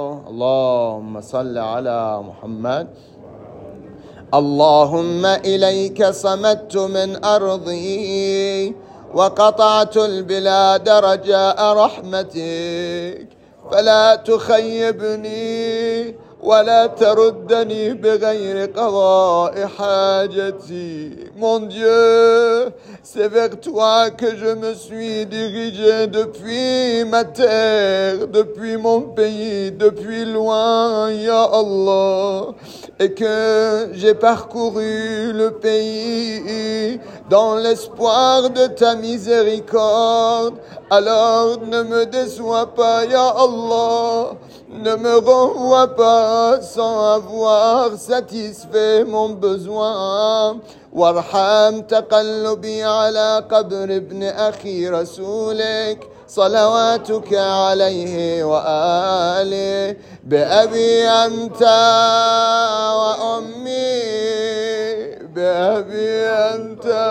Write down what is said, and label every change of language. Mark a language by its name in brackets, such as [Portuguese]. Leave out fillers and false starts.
[Arabic] اللهم صل على محمد. اللهم إليك صمدت من أرضي وقطعت البلاد رجاء رحمتك، فلا تخيبني ولا تردني بغير قضاء حاجتي. [French] Mon Dieu, c'est vers toi que je me suis dirigé depuis ma terre, depuis mon pays, depuis loin, [Arabic] ya Allah. [French] et que j'ai parcouru le pays dans l'espoir de ta miséricorde. Alors ne me déçois pas, [Arabic] ya Allah, [French] ne me renvoie pas sans avoir satisfait mon besoin. [Arabic] وارحم تقلبي على قبر ابن أخي رسولك صلواتك عليه وآله بأبي أنت وأمي بأبي أنت